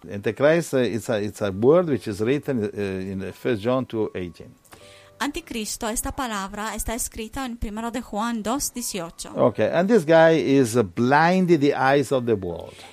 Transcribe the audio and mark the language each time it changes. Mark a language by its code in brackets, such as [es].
[en] Antichrist it's a word which is written in 1 John 2:18. [es] Anticristo, esta palabra está escrita en Primero de Juan 2:18. [en] Okay, and this guy is blinding the eyes of the world.